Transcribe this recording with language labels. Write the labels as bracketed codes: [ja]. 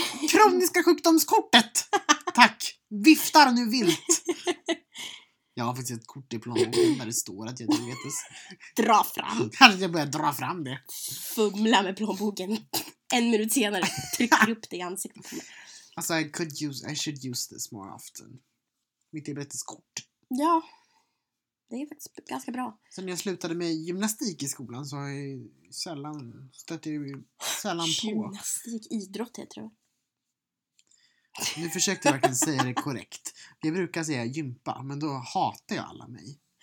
[sv] Kroniska sjukdomskortet. Tack. Viftar nu vilt. Jag har faktiskt ett kort i plånboken där det står att jag har diabetes. Dra fram. Kanske jag börjar dra fram det. Fumla med plånboken. En minut senare trycker upp det i ansiktet. [en] Alltså I should use this more often. [sv] Mitt diabeteskort. Ja. Det är faktiskt ganska bra. Sen jag slutade med gymnastik i skolan så har jag sällan på. Gymnastik, idrott heter det. Nu försökte jag verkligen säga det korrekt. Jag brukar säga gympa, men då hatar jag alla mig.